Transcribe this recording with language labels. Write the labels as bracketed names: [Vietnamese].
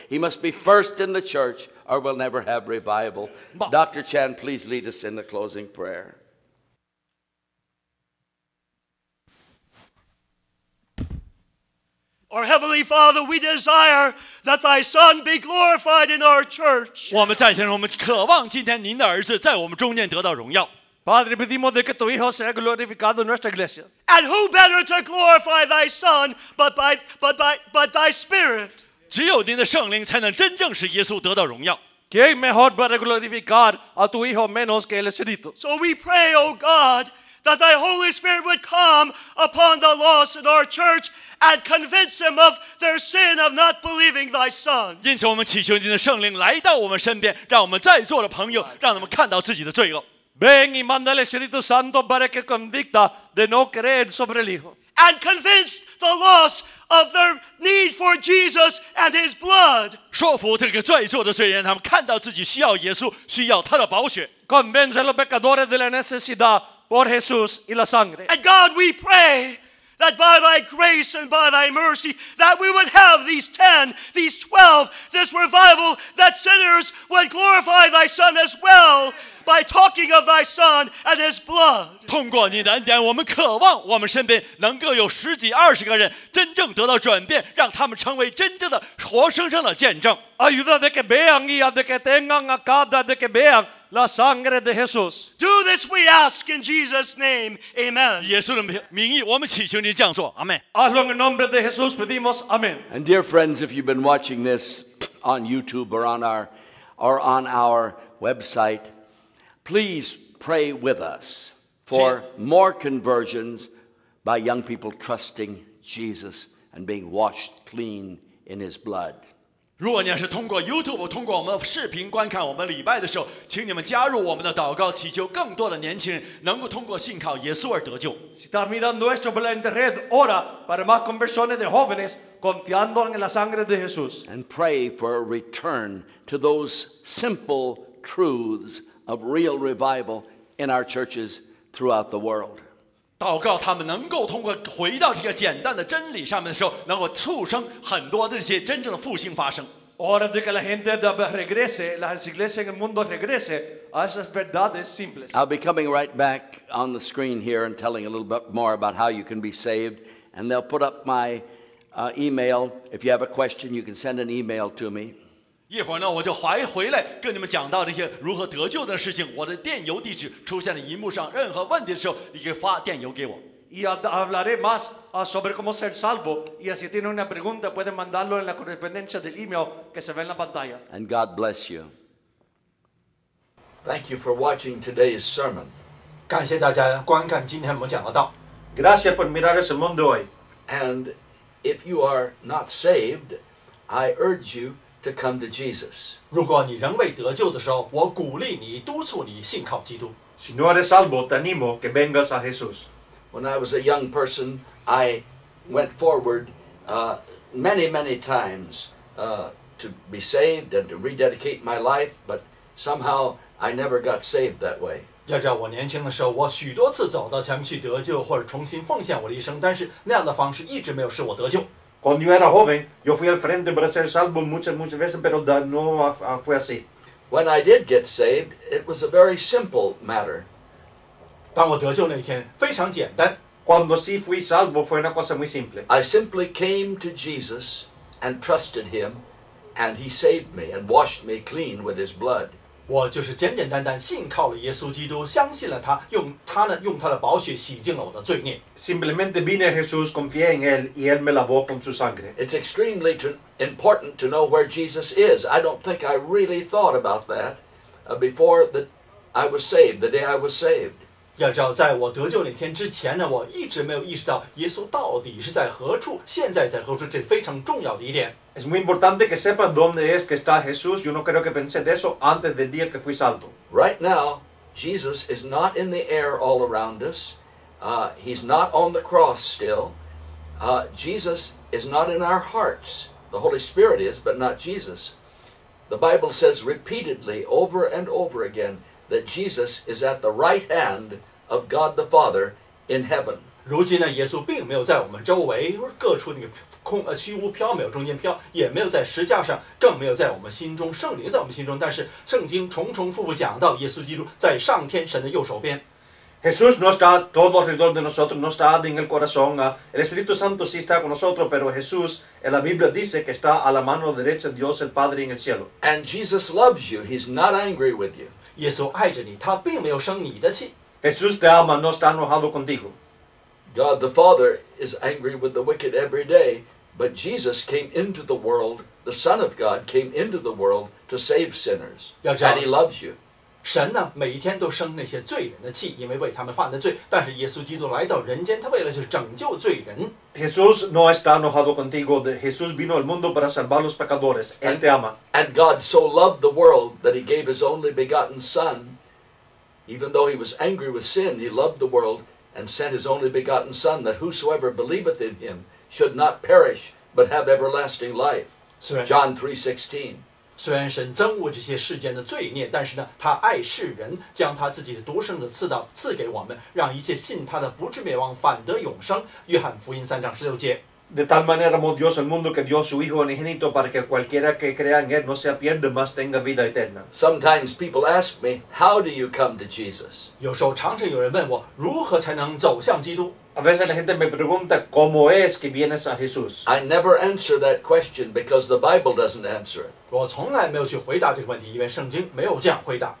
[English] He must be first in the church, or we'll never have revival. Dr. Chan, please lead us in the closing prayer. Our Heavenly Father, we desire that thy Son be glorified in our church. [Chinese] 我们在天上，我们渴望今天您的儿子在我们中间得到荣耀。 [Spanish] Padre, pedimos de que tu hijo sea glorificado en nuestra iglesia. [English] And who better to glorify thy Son but thy Spirit? [Chinese] 只有您的圣灵才能真正使耶稣得到荣耀。 [Spanish] ¿Qué mejor para glorificar a tu hijo menos que el Espíritu? [English] So we pray, O God, that thy Holy Spirit would come upon the lost in our church. And convince them of their sin of not believing thy son. [Chinese] 因此我们祈求您的圣灵来到我们身边，让我们在座的朋友让他们看到自己的罪恶。 [Spanish] Ven y manda el Espíritu Santo para que convicta de no creer sobre el hijo. [English] And convince the lost of their need for Jesus and his blood. [Chinese] 说服这个在座的罪人，他们看到自己需要耶稣，需要他的宝血。 [Spanish] Convence a los pecadores de la necesidad por Jesús y la sangre. [English] And God, we pray. That by thy grace and by thy mercy, that we would have these 10, these 12, this revival, that sinners would glorify thy son as well by talking of thy son and his blood. [Chinese] 通过你的恩典，我们渴望我们身边能够有十几二十个人真正得到转变，让他们成为真正的活生生的见证。 [Spanish] Ayuda de que vean y de que tengan a cada de que vean. La sangre de Jesús. [English] Do this we ask in Jesus' name. Amen. [Chinese] 耶稣的名义，我们祈求你这样做。 [English] Amen. [Spanish] Hazlo en el nombre de Jesús, pedimos. [English] Amen. And dear friends, if you've been watching this on YouTube or on our website, please pray with us for more conversions by young people trusting Jesus and being washed clean in his blood. [Chinese] 如果你要是通过 YouTube 通过我们的视频观看我们礼拜的时候，请你们加入我们的祷告，祈求更多的年轻人能够通过信靠耶稣而得救。 [Spanish] Si está mirando esto por la internet, ora para más conversiones de jóvenes confiando en la sangre de Jesús. [English] And pray for a return to those simple truths of real revival in our churches throughout the world. [Chinese] 祷告他们能够通过回到这个简单的真理上面的时候，能够促生很多的这些真正的复兴发生。 [Spanish] Ora de que la gente regrese, las iglesias en el mundo regrese a esas verdades simples. [English] I'll be coming right back on the screen here and telling a little bit more about how you can be saved, and they'll put up my email. If you have a question, you can send an email to me. [Chinese] 一会儿呢，我就回来跟你们讲到这些如何得救的事情。我的电邮地址出现在荧幕上，任何问题的时候，你可以发电邮给我。 [Spanish] Y hablaré más sobre cómo ser salvo. Y si tiene una pregunta, puede mandarlo en la correspondencia del email que se ve en la pantalla. [English] And God bless you. Thank you for watching today's sermon. [Chinese] 感谢大家观看今天我们讲的道。 [Spanish] Gracias por mirar este mundo hoy. [English] And if you are not saved, I urge you to come to Jesus. [Chinese] 如果你仍未得救的时候，我鼓励你，督促你信靠基督。 [Spanish] Si no eres salvo, te animo que vengas a Jesús. [English] When I was a young person, I went forward many, many times to be saved and to rededicate my life, but somehow I never got saved that way. [Chinese] 要知道我年轻的时候，我许多次走到前面去得救或者重新奉献我的一生，但是那样的方式一直没有使我得救。 [Spanish] Cuando yo era joven, yo fui al frente para ser salvo muchas, muchas veces, pero no fue así. [English] When I did get saved, it was a very simple matter. [Chinese] 当我得救那一天非常简单。 [Spanish] Cuando sí fui salvo fue una cosa muy simple. [English] I simply came to Jesus and trusted him, and he saved me and washed me clean with his blood. [Chinese] 我就是简简单单信靠了耶稣基督，相信了他，用他的宝血洗净了我的罪孽。 [Spanish] Simplemente vine a Jesús, confié en él y él me lavó con su sangre. [English] It's extremely important to know where Jesus is. I don't think I really thought about that before that I was saved. The day I was saved. [Chinese] 要知道在我得救那天之前呢，我一直没有意识到耶稣到底是在何处，现在在何处，这非常重要的一点。 [Spanish] Es muy importante que sepa dónde es que está Jesús. Yo no creo que pensé de eso antes del día que fui salvo. [English] Right now, Jesus is not in the air all around us. He's not on the cross still. Jesus is not in our hearts. The Holy Spirit is, but not Jesus. The Bible says repeatedly, over and over again,that Jesus is at the right hand of God the Father in heaven. [Chinese] 如今呢，耶稣并没有在我们周围各处那个空虚无缥缈中间飘，也没有在十字架上，更没有在我们心中，圣灵在我们心中。但是圣经重重复复讲到耶稣基督在上天神的右手边。 [Spanish] Jesús no está todo alrededor de nosotros, no está en el corazón. El Espíritu Santo sí está con nosotros, pero Jesús, en la Biblia dice que está a la mano derecha de Dios el Padre en el cielo. [English] And Jesus loves you. He's not angry with you. [Chinese] 耶稣爱着你，他并没有生你的气。 [Spanish] Jesús te ama, no está enojado contigo. [English] God the Father is angry with the wicked every day, but Jesus came into the world, the Son of God came into the world to save sinners, and he loves you. [Chinese] 神呢，每一天都生那些罪人的气，因为为他们犯的罪。但是耶稣基督来到人间，他为了就是拯救罪人。 [Spanish] Jesús no está enojado contigo. Jesús vino al mundo para salvar los pecadores. Él te ama. [English] And God so loved the world that he gave his only begotten Son. Even though he was angry with sin, he loved the world and sent his only begotten Son that whosoever believeth in him should not perish but have everlasting life. John 3:16. [Chinese] 虽然神憎恶这些世间的罪孽，但是呢，他爱世人，将他自己的独生子赐给我们，让一切信他的不至灭亡，反得永生。 3:16。 [Spanish] De tal manera amó Dios el mundo que dio su hijo unigénito para que cualquiera que crea en él no se pierda, mas tenga vida eterna. [English] Sometimes people ask me, how do you come to Jesus? [Chinese] 有时候常常有人问我，如何才能走向基督？ [Spanish] A veces la gente me pregunta, ¿cómo es que vienes a Jesús? [English] I never answer that question because the Bible doesn't answer it. [Chinese] 我从来没有去回答这个问题，因为圣经没有这样回答。